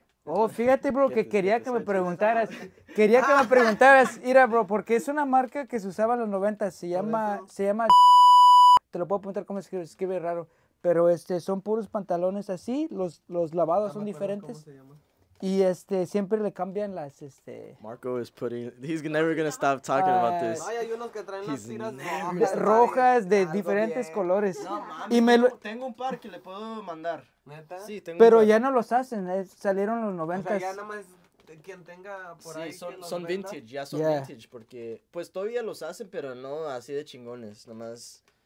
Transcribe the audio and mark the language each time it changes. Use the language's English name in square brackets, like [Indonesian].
[Spanish] Oh, fíjate, bro, que quería que me preguntaras, quería que me preguntaras, mira, bro, porque es una marca que se usaba en los 90, se llama, te lo puedo apuntar como escribe raro. Pero son puros pantalones así, los lavados son diferentes. Y siempre le cambian las [English] Marco is putting, he's never gonna stop talking about this. [Spanish] Ay, hay unos que traen las tiras rojas de diferentes bien colores. No, mami, y tengo un par que le puedo mandar. ¿Neta? Sí, tengo. Pero ya no los hacen, salieron los 90. O sea, ya nomás quien tenga por sí, ahí. Sí, son vintage, ya son, yeah, vintage, porque pues todavía los hacen, pero no así de chingones, nomás.